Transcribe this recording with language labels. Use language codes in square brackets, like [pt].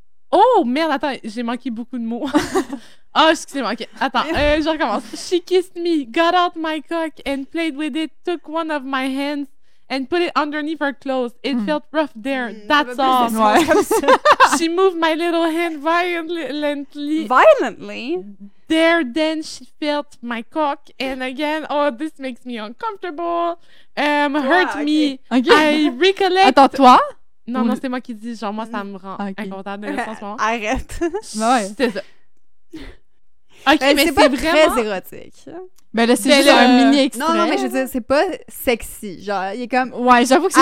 [fr] Oh, merde, attends, j'ai manqué beaucoup de mots. Oh, excusez-moi, OK. Attends, je recommence. [en] She kissed me, got out my cock and played with it, took one of my hands and put it underneath her clothes. It felt rough there. That's all. She moved my little hand violently. Violently? There then she felt my cock and again, oh, this makes me uncomfortable. Hurt me. Okay. I recollect... [fr] Attends, toi? Non, non, c'est moi qui dis, genre, moi, ça me rend incontable de l'instant en ce moment. Arrête. Ouais. C'est ça. OK, mais c'est pas vraiment... très érotique. Ben là, c'est juste un mini-extrait. Non, mais je veux dire, c'est pas sexy. Genre, il est comme... Ouais, j'avoue que c'est